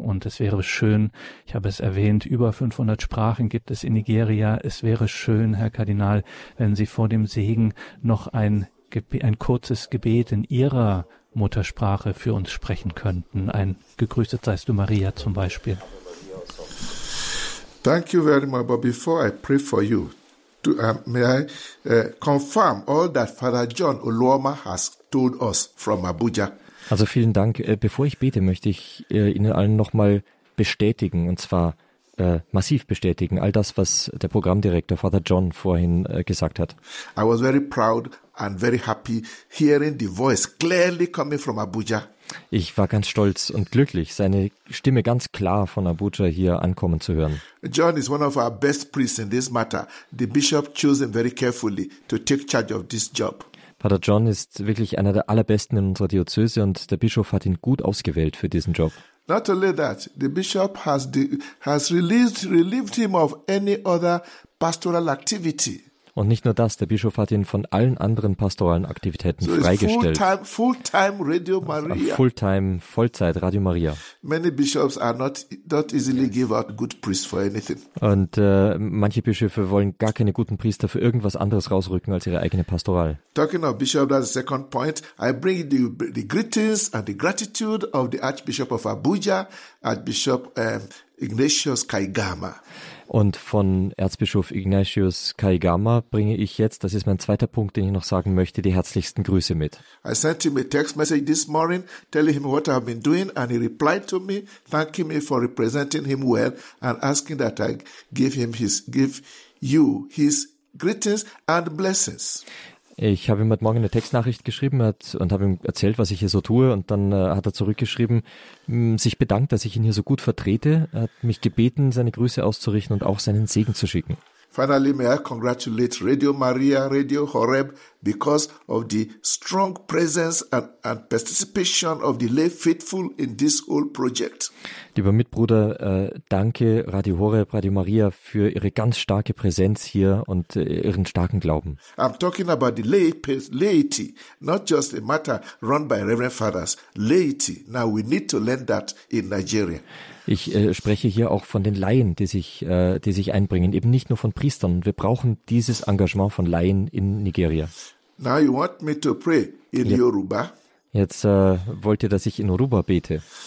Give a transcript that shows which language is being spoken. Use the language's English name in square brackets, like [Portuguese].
[German] Und es wäre schön, ich habe es erwähnt, über 500 Sprachen gibt es in Nigeria. Es wäre schön, Herr Kardinal, wenn Sie vor dem Segen noch ein kurzes Gebet in Ihrer Muttersprache für uns sprechen könnten. Ein Gegrüßet seist du Maria zum Beispiel. [English] Thank you very much, but before I pray for you, May I confirm all that Father John Oluoma has told us from Abuja. [German] Also vielen Dank. Bevor ich bete, möchte ich Ihnen allen nochmal bestätigen, und zwar massiv bestätigen, all das, was der Programmdirektor Father John vorhin gesagt hat. [English] I was very proud and very happy hearing the voice clearly coming from Abuja. [German] Ich war ganz stolz und glücklich, seine Stimme ganz klar von Abuja hier ankommen zu hören. [English] John is one of our best priests in this matter. The bishop chose him very carefully to take charge of this job. [German] Pater John ist wirklich einer der allerbesten in unserer Diözese und der Bischof hat ihn gut ausgewählt für diesen Job. [English] Not only that, the bishop has relieved him of any other pastoral activity. [German] Und nicht nur das, der Bischof hat ihn von allen anderen pastoralen Aktivitäten so freigestellt. [English] Full-time Radio Maria. [German] Full-time, Vollzeit Radio Maria. [English] Many bishops are not easily give out good priests for anything. [German] Und manche Bischöfe wollen gar keine guten Priester für irgendwas anderes rausrücken als ihre eigene Pastoral. [English] Talking of Bishop, that's the second point. I bring the greetings and the gratitude of the Archbishop of Abuja, Archbishop Ignatius Kaigama. [German] Und von Erzbischof Ignatius Kaigama bringe ich jetzt, das ist mein zweiter Punkt, den ich noch sagen möchte, die herzlichsten Grüße mit. [English] I sent him a text message this morning, telling him what I've been doing, and he replied to me, thanking me for representing him well, and asking that I give you his greetings and blessings. [German] Ich habe ihm heute Morgen eine Textnachricht geschrieben und habe ihm erzählt, was ich hier so tue. Und dann hat er zurückgeschrieben, sich bedankt, dass ich ihn hier so gut vertrete. Er hat mich gebeten, seine Grüße auszurichten und auch seinen Segen zu schicken. [English] Finally, may I congratulate Radio Maria, Radio Horeb, because of the strong presence and participation of the lay faithful in this whole project. [German] Lieber Mitbruder, danke Radio Horeb, Radio Maria für ihre ganz starke Präsenz hier und ihren starken Glauben. [English] I'm talking about the laity, not just a matter run by Reverend Fathers. Laity, now we need to learn that in Nigeria. [German] Ich spreche hier auch von den Laien, die sich einbringen, eben nicht nur von Priestern. Wir brauchen dieses Engagement von Laien in Nigeria. [English] Now you want me to pray in Yoruba? [German] Jetzt wollt ihr, dass ich in Yoruba bete.